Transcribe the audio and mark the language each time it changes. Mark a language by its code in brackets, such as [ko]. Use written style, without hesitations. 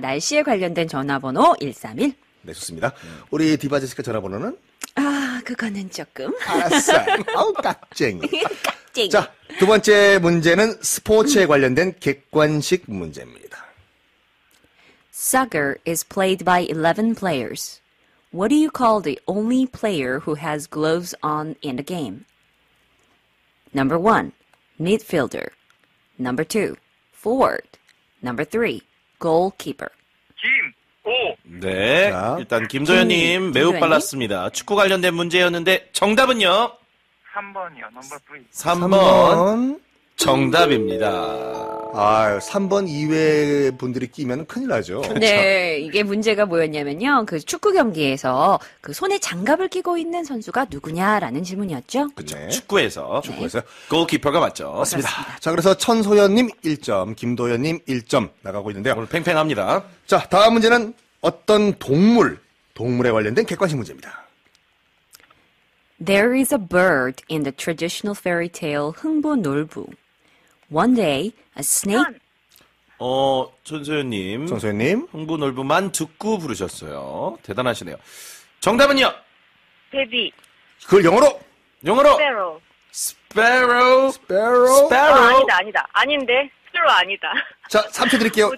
[ko] 날씨에 관련된 전화번호 131. 네, 좋습니다. 우리 디바 제시카 전화번호는? 아, 그거는 조금. 아싸. 아우, 깍쟁이. 깍쟁이. 자, 두 번째 문제는 스포츠에 관련된 객관식 문제입니다. [en] Soccer is played by 11 players. What do you call the only player who has gloves on in the game? Number 1, midfielder. Number 2, forward. Number 3, goalkeeper. [ko] 김! 오! 네, 자, 일단 김소연님 매우 김소연이? 빨랐습니다. 축구 관련된 문제였는데 정답은요? 3번이요, 넘버 3. 3번 정답입니다. 아, 3번 이외 분들이 끼면 큰일 나죠. 네, 이게 문제가 뭐였냐면요. 그 축구 경기에서 그 손에 장갑을 끼고 있는 선수가 누구냐라는 질문이었죠. 그쵸, 네. 축구에서. 네. 축구에서. 골키퍼가 맞죠. 맞습니다. 그렇습니다. 자, 그래서 천소연님 1점, 김도연님 1점 나가고 있는데요. 오늘 팽팽합니다. 자, 다음 문제는 어떤 동물에 관련된 객관식 문제입니다. [en] There is a bird in the traditional fairy tale 흥부놀부. One day, a snake. [ko] 천소연님. 천소연님. 흥부놀부만 듣고 부르셨어요. 대단하시네요. 정답은요? 베비. 그걸 영어로? 영어로? [en] Sparrow. Sparrow. Sparrow. [ko] Sparrow. 아니다, 아니다. 아닌데. Sparrow 아니다. 자, 3초 드릴게요.